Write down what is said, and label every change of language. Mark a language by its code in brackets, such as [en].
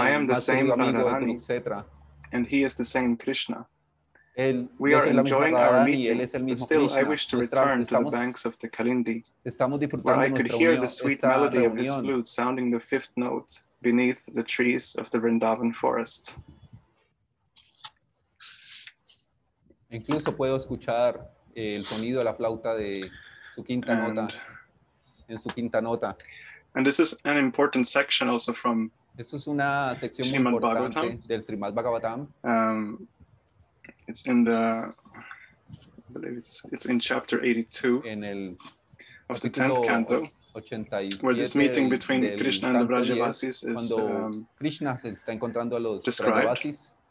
[en] I am the same Radharani, and he is the same Krishna. We are enjoying our meeting, but still I wish to return to the banks of the Kalindi, where I could hear the sweet melody of his flute sounding the fifth note beneath the trees of the Vrindavan forest. [es] Incluso puedo escuchar el sonido de la flauta de su quinta nota. En su quinta nota. [en] And this is an important section also from [es] esto es una sección muy importante del Srimad Bhagavatam. [en] It's in the I believe it's in chapter 82 [es] en el [en] of the 10th canto [es] 87, [en] where this meeting between Krishna and the Vrajavasis is [es] Krishna se está encontrando a los Vrajavasis.